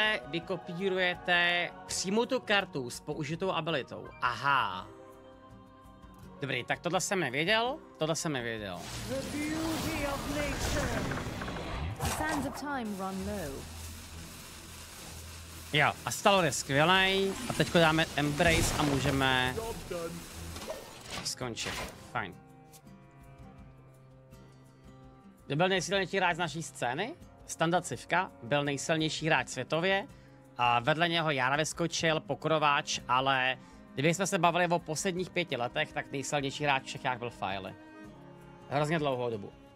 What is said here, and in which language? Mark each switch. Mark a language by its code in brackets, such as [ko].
[cs] Vy kopírujete přímo tu kartu s použitou abilitou. Aha. Dobrý, tak tohle jsem nevěděl. [en] The beauty of nature. The sands of time run low. [cs] Jo, a stalo je skvělej. A teďko dáme embrace a můžeme skončit. Fajn. Kdo byl nejsilnější hráč z naší scény? Standa Civka byl nejsilnější hráč světově. A vedle něho Jara vyskočil, pokrováč, ale kdyby jsme se bavili o posledních 5 letech, tak nejsilnější hráč v Čechách byl Fajly. Hrozně dlouhou dobu.